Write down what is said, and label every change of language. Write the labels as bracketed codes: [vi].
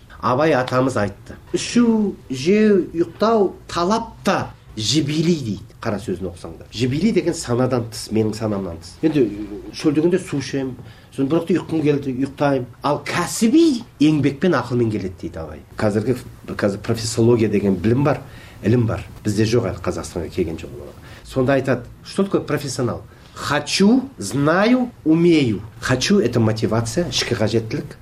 [kk] Абай атамыз айтты. Ішу, жеу, ұйықтау талап та жібелей дейді. Қара сөзін оқысаңдар. Жібелей деген санадан тыс, менің санамнан тыс. Енді шөлдегенде су ішемін, сосын бірақ ұйқым келді, ұйықтаймын. Ал кәсіби еңбекпен ақылмен келеді дейді Абай. Қазір профессология деген білім бар, ілім бар. Бізде жоқ әлі Қазақстанға келген жоқ олар. Сонда айтады, [ru] что такое профессионал? Хочу, знаю, умею. Хочу – это мотивация, [kk] ішкі қажеттілік.